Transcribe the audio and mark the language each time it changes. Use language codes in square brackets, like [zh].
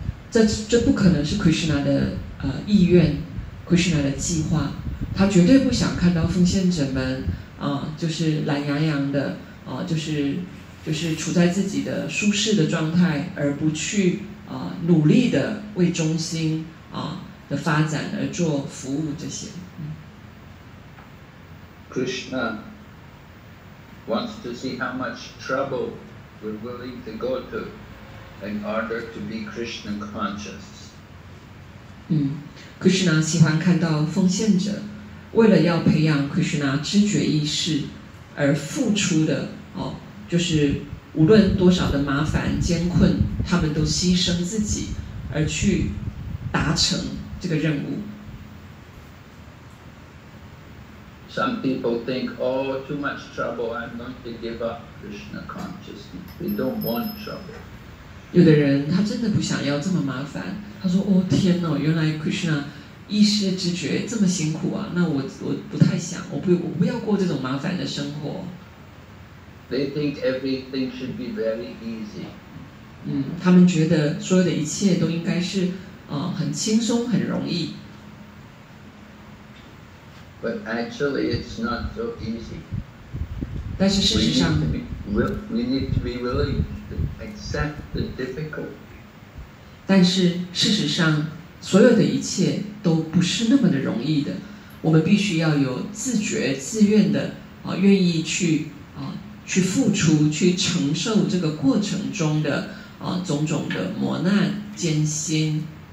[zh] 这不可能是 Krishna 的意愿 ，Krishna 的计划。他绝对不想看到奉献者们就是懒洋洋的。就是处在自己的舒适的状态，而不去努力的为中心的发展而做服务这些。 [en] Krishna wants to see how much trouble we're willing to go to in order to be Krishna conscious. [zh] Krishna 喜欢看到奉献者为了要培养 Krishna 知觉意识而付出的就是无论多少的麻烦艰困，他们都牺牲自己而去达成这个任务。 [en] Some people think, oh, too much trouble, I'm going to give up Krishna consciousness. They don't want trouble. [zh] 有的人他真的不想要这么麻烦，他说，哦，天哪，原来 Krishna 意识知觉这么辛苦啊，那我不太想，我不要过这种麻烦的生活。 [en] They think everything should be very easy. [zh] 他们觉得所有的一切都应该是很轻松很容易。 [en] But actually, it's not so easy. [zh] 但是事实上 [en] we need to be willing to accept the difficulty. [zh] 但是事实上，所有的一切都不是那么的容易的。我们必须要有自觉、自愿的愿意去付出、去承受这个过程中的种种的磨难、艰辛。